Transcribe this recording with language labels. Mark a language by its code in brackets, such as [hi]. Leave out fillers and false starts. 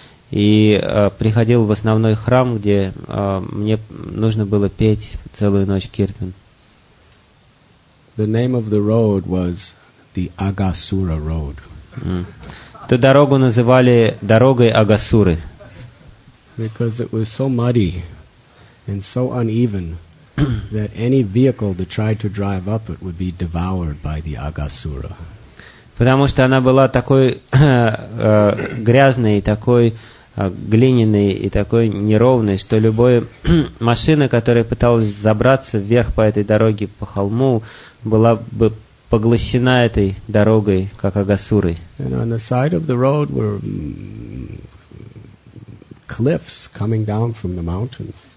[ru] И приходил в основной храм, где мне нужно было петь целую ночь киртан. [en] The name of the road was the Агасура Road. [ru] Ту дорогу называли дорогой Агасуры. [en] Because it was so muddy and so uneven that any vehicle that tried to drive up it would be devoured by the Агасура. [ru] Потому что она была такой грязной и такой глиняный и такой неровный, что любая машина, которая пыталась забраться вверх по этой дороге, по холму, была бы поглощена этой дорогой, как агасурой. [en] And on the side of the road were cliffs coming down from the mountains.